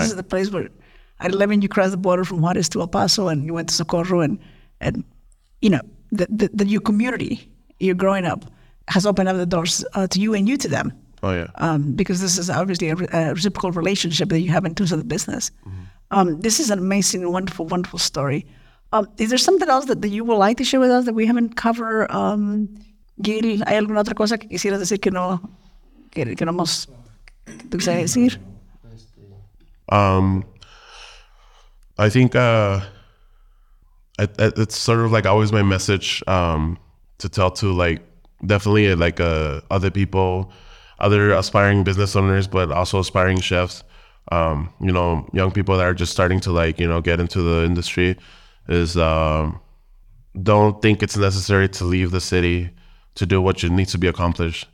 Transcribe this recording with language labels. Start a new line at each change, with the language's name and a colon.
English: This is the place where at 11 you crossed the border from Juarez to El Paso and you went to Socorro and you know, the your community, you're growing up, has opened up the doors to you and you to them. Oh, yeah. Because this is obviously a reciprocal relationship that you have in terms of the business. Mm-hmm. This is an amazing, wonderful, wonderful story. Is there something else that you would like to share with us that we haven't covered?
Spanish: Gil, ¿hay alguna otra cosa que quisieras decir que no hemos que decir?
English: I think it's sort of like always my message to tell to, like, definitely like other people, other aspiring business owners, but also aspiring chefs, you know, young people that are just starting to, like, you know, get into the industry, is don't think it's necessary to leave the city to do what you need to be accomplished.